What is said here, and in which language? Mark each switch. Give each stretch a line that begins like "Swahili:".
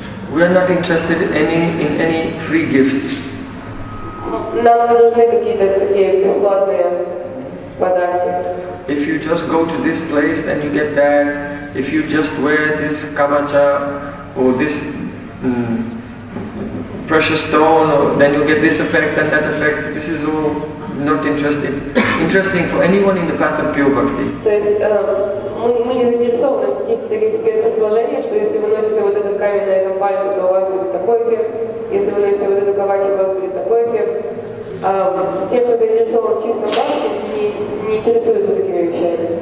English: We are not interested in any free gifts.
Russian: Нам не нужны какие-то такие бесплатные подарки.
English: If you just go to this place, then you get that. If you just wear this kavacha or this precious stone, or then you get this effect and that effect. This is all not interested. Interesting for anyone in the path of pure bhakti.
Russian: То есть мы не заинтересованы в каких-то таких спецких предложениях, что если вы носите вот этот камень на этом пальце, то у вас будет такой эффект. Если вы носите вот эту кавачу, то у вас будет такой эффект. Те, кто заинтересован в чистом бхакти, не интересуются такими вещами.